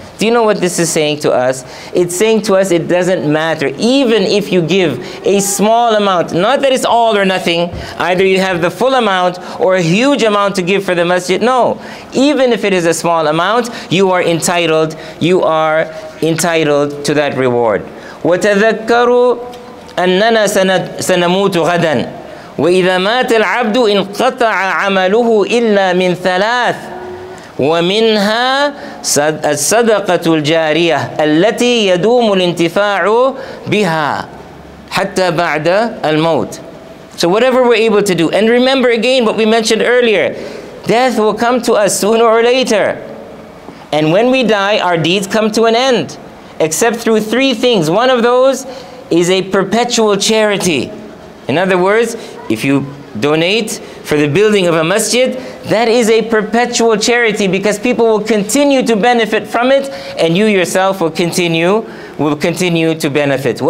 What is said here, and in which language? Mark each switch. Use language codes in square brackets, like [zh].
[en] Do you know what this is saying to us? It's saying to us it doesn't matter. Even if you give a small amount, not that it's all or nothing, either you have the full amount or a huge amount to give for the masjid. No. Even if it is a small amount, you are entitled. You are entitled to that reward. [ar] وَتَذَكَّرُوا أَنَّنَا سَنَمُوتُ غَدًا وَإِذَا مَاتَ الْعَبْدُ إِنْقَطَعَ عَمَلُهُ إِلَّا مِنْ ثَلَاثٍ ومنها الصدقة الجارية التي يدوم الانتفاع بها حتى بعد الموت. [en] So whatever we're able to do. And remember again what we mentioned earlier. Death will come to us sooner or later. And when we die, our deeds come to an end. Except through three things. One of those is a perpetual charity. In other words, if you donate for the building of a masjid, that is a perpetual charity because people will continue to benefit from it and you yourself will continue to benefit.